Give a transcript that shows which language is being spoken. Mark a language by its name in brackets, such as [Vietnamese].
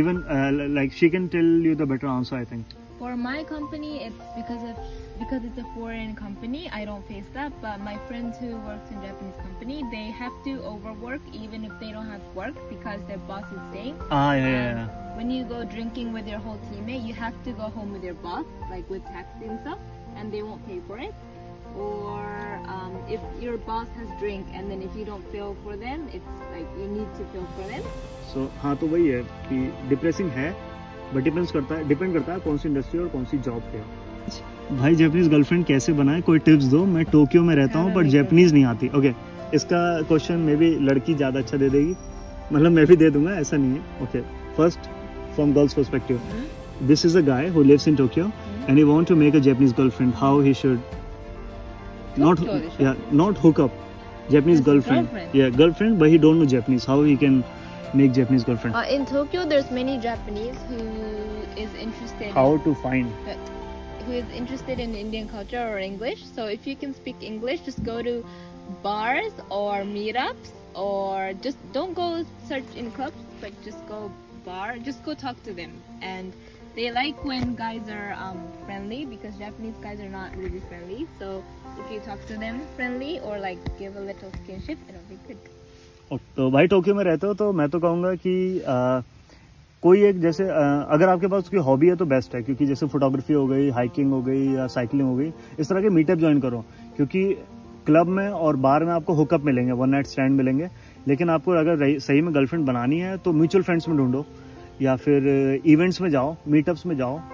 [English] Even like she can tell you the better answer I think. For my company, it's because it's a foreign company, I don't face that. But my friends who works in Japanese company, they have to overwork even if they don't have work because their boss is staying. When you go drinking with your whole teammate, you have to go home with your boss, like with taxi and stuff, and they won't pay for it. Or if your boss has drink and then if you don't feel for them, it's like you need to feel for them. [Hindi] So हाँ तो वही है कि depressing है. But depend करता है कौन सी industry और कौन सी जॉब पे। भाई जैपनीज गर्लफ्रेंड कैसे बनाए, कोई टिप्स दो। मैं टोक्यो में रहता हूँ बट जैपनीज नहीं आती। ओके इसका क्वेश्चन मे भी लड़की ज़्यादा अच्छा दे देगी, मतलब मैं भी दे दूंगा, ऐसा नहीं है। [English] Okay first from girls perspective, this is a guy who lives in Tokyo and he want to make a Japanese girlfriend, how he should not hook up Japanese girlfriend, या girlfriend but he don't know Japanese, how he can make Japanese girlfriend? In Tokyo, there's many Japanese who is interested. How to find? Who is interested in Indian culture or English. So if you can speak English, just go to bars or meetups, or just don't go search in clubs, but just go bar, just go talk to them. And they like when guys are friendly, because Japanese guys are not really friendly. So if you talk to them friendly or like give a little skinship, it'll be good. [Hindi] तो भाई Tokyo में रहते हो तो मैं तो कहूँगा कि कोई एक जैसे अगर आपके पास उसकी हॉबी है तो बेस्ट है, क्योंकि जैसे फोटोग्राफी हो गई, हाइकिंग हो गई या साइकिलिंग हो गई, इस तरह के मीटअप ज्वाइन करो, क्योंकि क्लब में और बार में आपको हुकअप मिलेंगे, वन नाइट स्टैंड मिलेंगे। लेकिन आपको अगर सही में गर्लफ्रेंड बनानी है तो म्यूचुअल फ्रेंड्स में ढूंढो, या फिर इवेंट्स में जाओ, मीटअप्स में जाओ।